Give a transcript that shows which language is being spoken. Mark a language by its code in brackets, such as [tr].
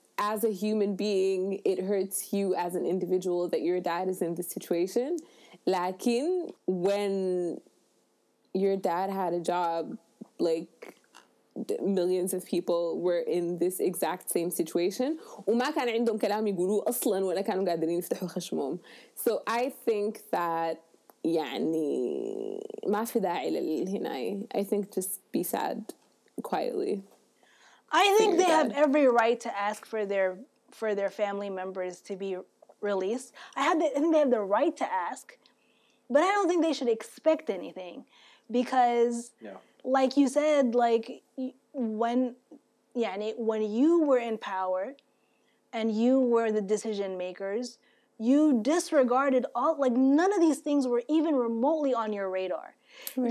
[en] As a human being, it hurts you as an individual that your dad is in this situation. Lakin, when your dad had a job, like, millions of people were in this exact same situation. [ar] وَمَا كَانَ عِنْدُمْ كَلَامِ يَقُولُوا أَصْلًا وَلَا كَانُوا قَادِرِينَ يَفْتَحُوا خَشْمُهُمْ. [en] So I think that, [ar] يعني, مَا فِي دَاعِ لِلْهِنَاي. [en] I think just be sad quietly. I think they have every right to ask for their family members to be released. I think they have the right to ask, but I don't think they should expect anything, because, like you said, like when you were in power, and you were the decision makers, you disregarded all, like none of these things were even remotely on your radar. Right.